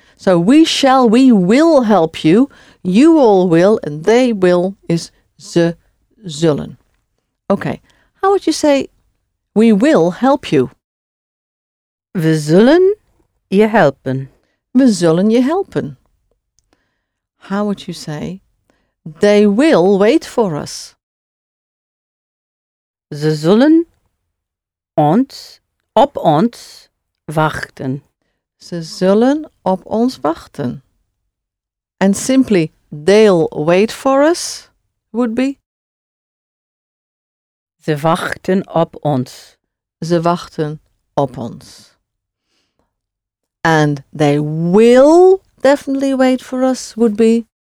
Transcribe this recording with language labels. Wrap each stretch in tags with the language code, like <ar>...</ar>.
<en>So, we shall, we will help you. You all will and they will is</en> <nl>ze zullen.</nl> <en>Okay. How would you say we will help you?</en> <nl>We zullen je helpen. We zullen je helpen.</nl> <en>How would you say they will wait for us?</en> <nl>Ze zullen ons op ons wachten. Ze zullen op ons wachten.</nl> <en>And simply, they'll wait for us would be?</en> <nl>Ze wachten op ons. Ze wachten op ons.</nl> <en>And they will definitely wait for us would be?</en>